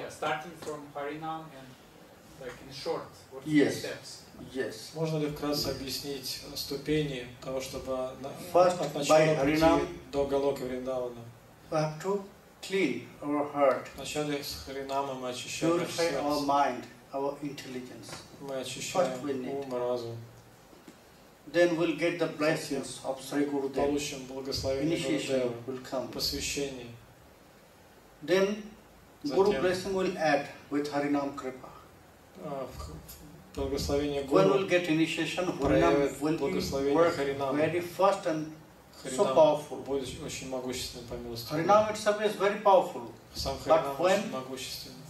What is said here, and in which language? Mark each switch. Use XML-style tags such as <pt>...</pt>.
<en>Yeah, starting from Harinam and like in short, what are the steps? Yes.</en> <ru>Можно ли вкратце объяснить ступени того, чтобы</ru> <en>first,</en> <ru>от начала прийти до Голоки Вриндавана?</ru> <en>To clean our heart.</en> <ru>Вначале с Харинама мы очищаем наше сердце.</ru> <en>Purify our mind, our intelligence.</en> <ru>Мы очищаем ум, разум.</ru> <en>Then we'll get the blessings of Sri Gurudev.</en> <ru>Получим благословение Гурудева.</ru> <en>Will come.</en> <ru>Посвящение.</ru> <en>Then Guru blessing will add with Харинам Крипа.</en> <ru>Благословение Гуру.</ru> <en>When we'll get initiation, Харинам will work very fast and so powerful.</en> <ru>Будет очень могущественным по милости.</ru> <en>Харинам itself is very powerful.</en> <ru>Сам Харинам могущественный.</ru>